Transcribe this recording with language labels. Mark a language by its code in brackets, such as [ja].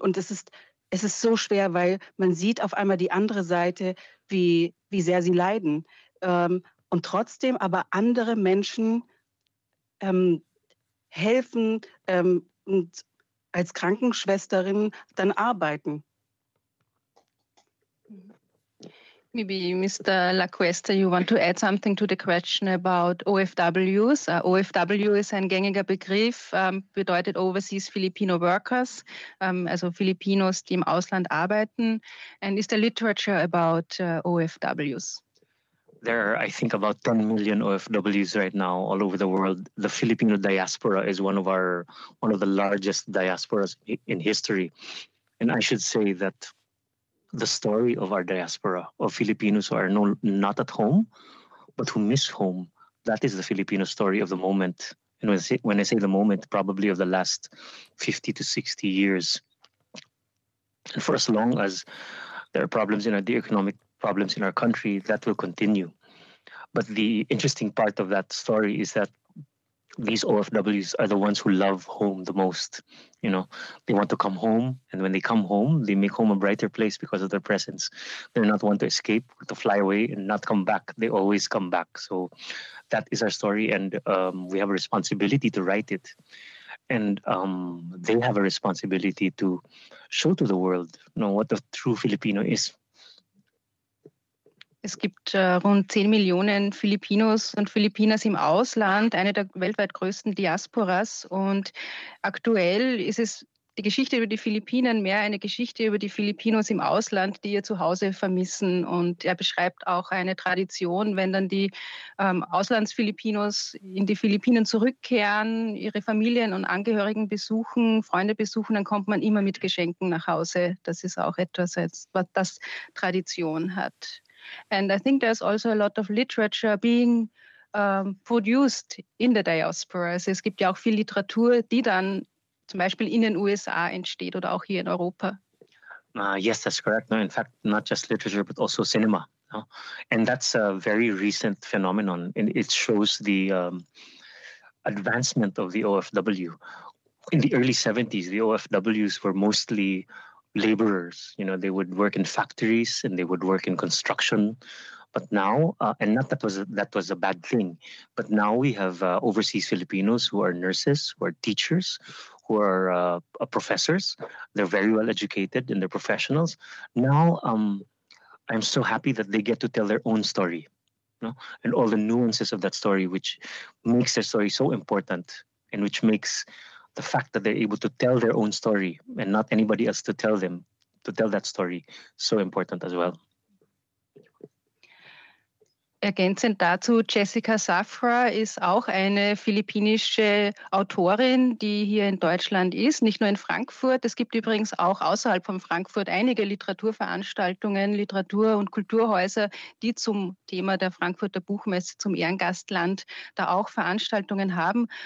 [de] Und es ist so schwer, weil man sieht auf einmal die andere Seite, wie sehr sie leiden. Und trotzdem aber andere Menschen helfen und als Krankenschwesterin dann arbeiten. [en] Maybe Mr. La Cuesta, you want to add something to the question about OFWs. [de] OFW ist ein gängiger Begriff, bedeutet Overseas Filipino Workers, also Filipinos, die im Ausland arbeiten. [en] And is there literature about OFWs? There are, I think, about 10 million OFWs right now all over the world. The Filipino diaspora is one of the largest diasporas in history. And I should say that the story of our diaspora, of Filipinos who are not at home, but who miss home, that is the Filipino story of the moment. And when I say the moment, probably of the last 50 to 60 years. And for as long as there are problems in our, the economic problems in our country, that will continue. But the interesting part of that story is that these OFWs are the ones who love home the most. You know, they want to come home. And when they come home, they make home a brighter place because of their presence. They're not one to escape, to fly away and not come back. They always come back. So that is our story. And we have a responsibility to write it. And they have a responsibility to show to the world, you know, what a true Filipino is. [de] Es gibt rund 10 Millionen Filipinos und Filipinas im Ausland, eine der weltweit größten Diasporas. Und aktuell ist es die Geschichte über die Philippinen mehr eine Geschichte über die Filipinos im Ausland, die ihr Zuhause vermissen. Und er beschreibt auch eine Tradition, wenn dann die Auslandsfilipinos in die Philippinen zurückkehren, ihre Familien und Angehörigen besuchen, Freunde besuchen, dann kommt man immer mit Geschenken nach Hause. Das ist auch etwas, was das Tradition hat. [en] And I think there's also a lot of literature being produced in the diaspora. [de] Also es gibt ja auch viel Literatur, die dann zum Beispiel in den USA entsteht oder auch hier in Europa. [en] Yes, that's correct. No, in fact, not just literature, but also cinema. No? And that's a very recent phenomenon. And it shows the advancement of the OFW. In the early 70s, the OFWs were mostly laborers, you know, they would work in factories and they would work in construction. But now, and not that was a bad thing, but now we have overseas Filipinos who are nurses, who are teachers, who are professors. They're very well educated and they're professionals. Now, I'm so happy that they get to tell their own story, you know, and all the nuances of that story, which makes their story so important and which makes the fact that they're able to tell their own story and not anybody else to tell them, to tell that story, so important as well. [de] Ergänzend dazu, Jessica Safra ist auch eine philippinische Autorin, die hier in Deutschland ist, nicht nur in Frankfurt. Es gibt übrigens auch außerhalb von Frankfurt einige Literaturveranstaltungen, Literatur- und Kulturhäuser, die zum Thema der Frankfurter Buchmesse, zum Ehrengastland, da auch Veranstaltungen haben.